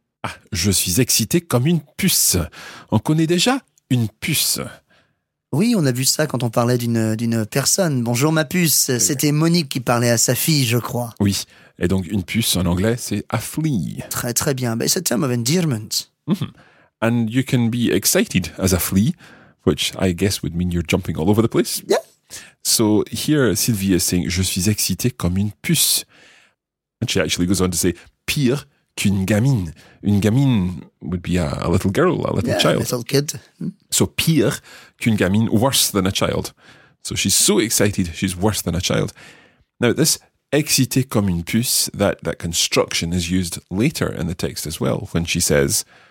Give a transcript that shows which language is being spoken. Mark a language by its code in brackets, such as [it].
[fr] Ah, je suis excité comme une puce. On connaît déjà une puce. Oui, on a vu ça quand on parlait d'une personne. Bonjour ma puce, c'était Monique qui parlait à sa fille, je crois. Oui. Et donc, une puce en anglais, c'est a flea. Très, très bien. [en] But it's a term of endearment. Mm-hmm. And you can be excited as a flea, which I guess would mean you're jumping all over the place. Yeah. So here, Sylvie is saying, [fr] je suis excité comme une puce. [en] And she actually goes on to say, [fr] pire qu'une gamine. [en] Une gamine would be a little girl, a little child. A little kid. So [fr] pire qu'une gamine, [en] worse than a child. So she's so excited, she's worse than a child. Now, this... [fr] Excité comme une puce, [en] that construction is used later in the text as well, when she says,